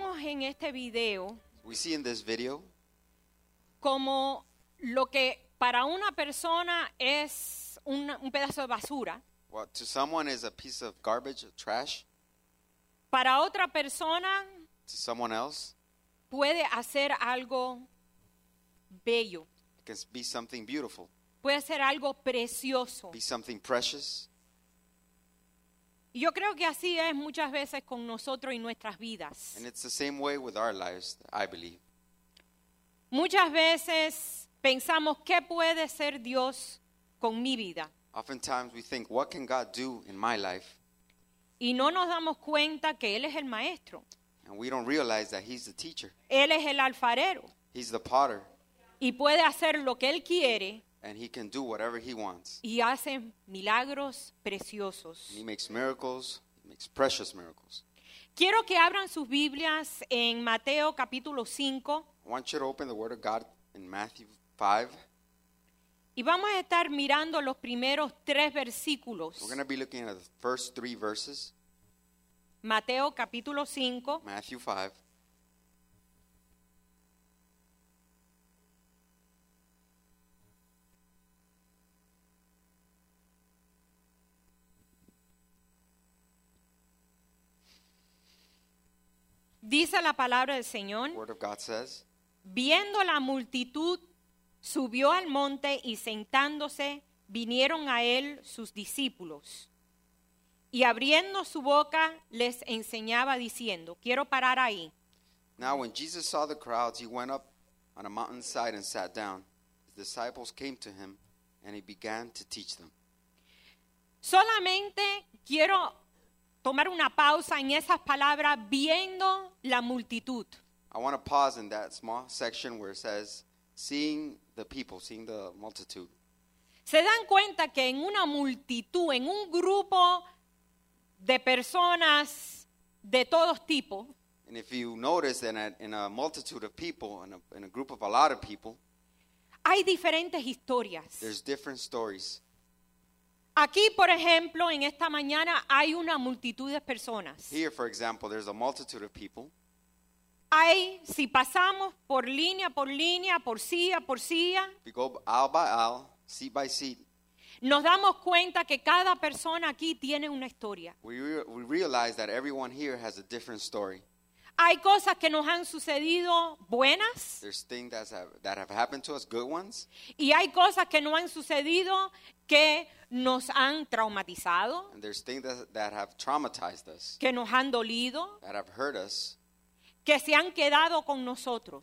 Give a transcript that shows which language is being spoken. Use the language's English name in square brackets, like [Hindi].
[Spanish] en este video, [English] we see in this video [Spanish] como lo que para una persona es un pedazo de basura. [English] What to someone is a piece of garbage, trash. [Spanish] Para otra persona, [English] to someone else, [Spanish] puede hacer algo bello. [English] It can be something beautiful. [Spanish] Puede ser algo precioso. [English] Be something precious. [Spanish] Y yo creo que así es muchas veces con nosotros y nuestras vidas. [English] And it's the same way with our lives, I believe. [Spanish] Muchas veces pensamos, ¿qué puede ser Dios con mi vida? [English] Oftentimes we think, what can God do in my life? [Spanish] Y no nos damos cuenta que Él es el maestro. [English] And we don't realize that He's the teacher. [Spanish] Él es el alfarero. [English] He's the potter. [Spanish] Y puede hacer lo que Él quiere. [English] And He can do whatever He wants. [Spanish] Y hace milagros preciosos. [English] And He makes miracles. He makes precious miracles. [Spanish] Quiero que abran sus Biblias en Mateo capítulo 5. [English] I want you to open the Word of God in Matthew 5. [Spanish] Y vamos a estar mirando los primeros tres versículos. [English] We're going to be looking at the first three verses. [Spanish] Mateo capítulo 5. [English] Matthew 5. [Spanish] Dice la palabra del Señor. [English] Word of God says, [Spanish] viendo la multitud, subió al monte y sentándose, vinieron a él sus discípulos. Y abriendo su boca, les enseñaba diciendo, quiero parar ahí. [English] Now when Jesus saw the crowds, he went up on a mountainside and sat down. His disciples came to him and he began to teach them. [Spanish] Solamente quiero tomar una pausa en esas palabras, viendo la multitud. [English] I want to pause in that small section where it says, seeing the people, seeing the multitude. [Spanish] Se dan cuenta que en una multitud, en un grupo de personas de todos tipos. [English] And if you notice that in a multitude of people, in a group of a lot of people. [Spanish] Hay diferentes historias. [English] There's different stories. [Spanish] Aquí, por ejemplo, en esta mañana hay una multitud de personas. [English] Here, for example, there's a multitude of people. [Spanish] Hay, si pasamos por línea, por silla, [English] we go aisle by aisle, seat by seat. [Spanish] Nos damos cuenta que cada persona aquí tiene una historia. [English] We realize that everyone here has a different story. [Spanish] Hay cosas que nos han sucedido buenas. [English] There's things that have happened to us, good ones. [Spanish] Y hay cosas que no han sucedido que nos han traumatizado. [English] And there's things that have traumatized us. [Spanish] Que nos han dolido. [English] That have hurt us. [Spanish] Que se han quedado con nosotros.